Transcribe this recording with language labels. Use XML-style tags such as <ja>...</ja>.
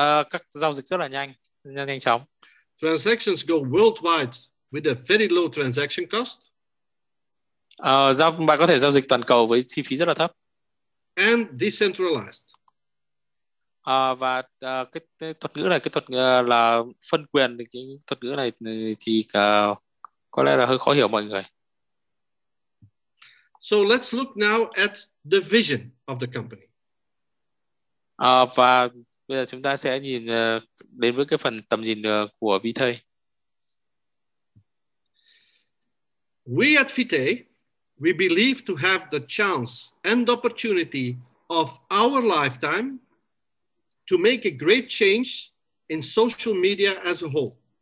<vi>Các giao dịch rất là nhanh chóng.</vi> <en>Transactions go worldwide with a very low transaction cost.</en> <vi>Bạn có thể giao dịch toàn cầu với chi phí rất là thấp.</vi> <en>And decentralized.</en> <vi>Cái thuật ngữ này, cái thuật ngữ là phân quyền, cái thuật ngữ này thì có lẽ là hơi khó hiểu mọi người.</vi> <en>So let's look now at the vision of the company.</en> <vi>Và bây giờ chúng ta sẽ nhìn đến với cái phần tầm nhìn của Vitae.</vi> <en>We at Vitae, we believe to have the chance and opportunity of our lifetime to make a great change in social media as a whole.</en>